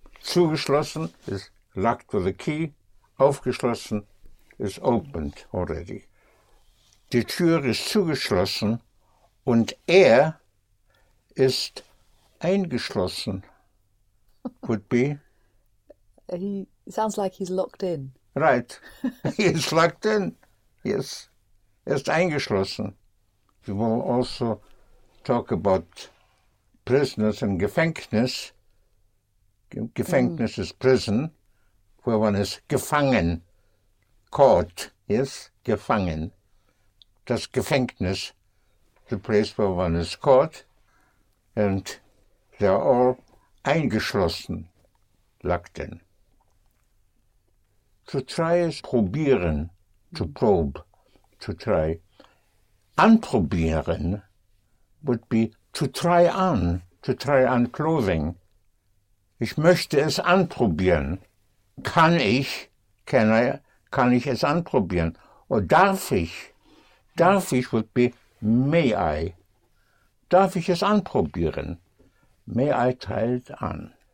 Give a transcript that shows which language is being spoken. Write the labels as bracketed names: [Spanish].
[English] Zugeschlossen is locked with a key. Aufgeschlossen is opened already. [German] Die Tür ist zugeschlossen und er ist eingeschlossen. [English] Would be? He sounds like he's locked in. Right. He is locked in. Yes. [German] Er ist eingeschlossen. [English] We will also talk about prisoners in Gefängnis. Gefängnis is prison. Where one is gefangen. Caught. Yes. Gefangen. [German] Das Gefängnis. [English] The place where one is caught. And they are all eingeschlossen, locked in. To try is probieren, to probe, to try. Anprobieren would be to try on clothing. [German] Ich möchte es anprobieren. Kann ich es anprobieren? Oder darf ich? Darf ich [English] would be may I. [German] Darf ich es anprobieren? [English] May I try it on?